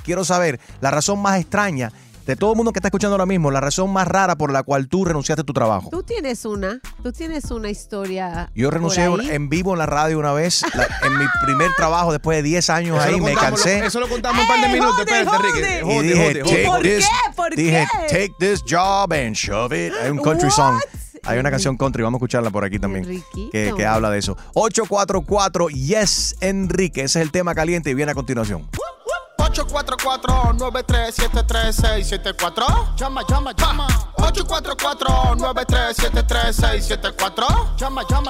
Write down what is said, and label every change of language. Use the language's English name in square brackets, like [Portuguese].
[Spanish] Quiero saber la razón más extraña de todo el mundo que está escuchando ahora mismo, la razón más rara por la cual tú renunciaste a tu trabajo. Tú tienes una historia. Yo renuncié en vivo en la radio una vez, en mi primer trabajo después de 10 años ahí, me cansé. Eso lo contamos un par de minutos, espérate, Ricky. Y dije, [English] take this job and shove it. [Spanish] Hay un [English] country song. [Spanish] Hay una canción country, vamos a escucharla por aquí también, que habla de eso. 844-YES-ENRIQUE, ese es el tema caliente y viene a continuación. 844-937-3674. Llama. 844-937-3674. Llama.